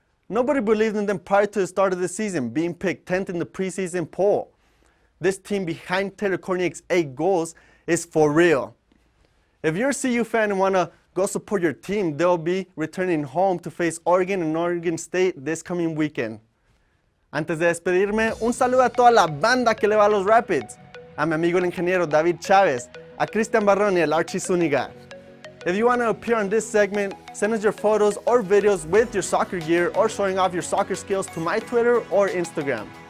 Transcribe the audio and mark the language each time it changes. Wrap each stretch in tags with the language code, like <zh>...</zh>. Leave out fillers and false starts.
<en>Nobody believed in them prior to the start of the season, being picked 10th in the preseason poll. This team behind Taylor Korniak's 8 goals is for real. If you're a CU fan and want to go support your team, they'll be returning home to face Oregon and Oregon State this coming weekend.</en> <es>Antes de despedirme, un saludo a toda la banda que le va a los Rapids. A mi amigo el ingeniero David Chavez, a Cristian Barrón y el Archie Zuniga.</es> <en>If you want to appear on this segment, send us your photos or videos with your soccer gear or showing off your soccer skills to my Twitter or Instagram.</en>